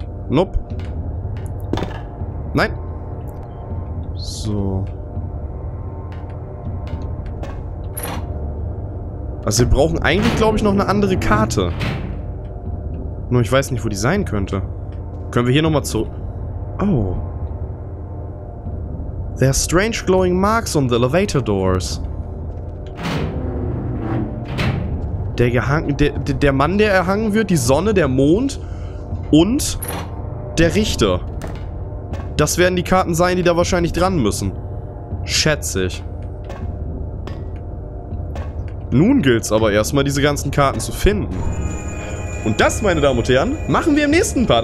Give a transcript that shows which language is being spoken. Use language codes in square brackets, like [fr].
[de] Nope. Nein. So. Also wir brauchen eigentlich, glaube ich, noch eine andere Karte. Nur ich weiß nicht, wo die sein könnte. Können wir hier nochmal zurück... Oh. [en] There are strange glowing marks on the elevator doors. [de] Der Mann, der erhangen wird, die Sonne, der Mond und der Richter. Das werden die Karten sein, die da wahrscheinlich dran müssen. Schätze ich. Nun gilt's aber erstmal, diese ganzen Karten zu finden. Und das, meine Damen und Herren, machen wir im nächsten Part.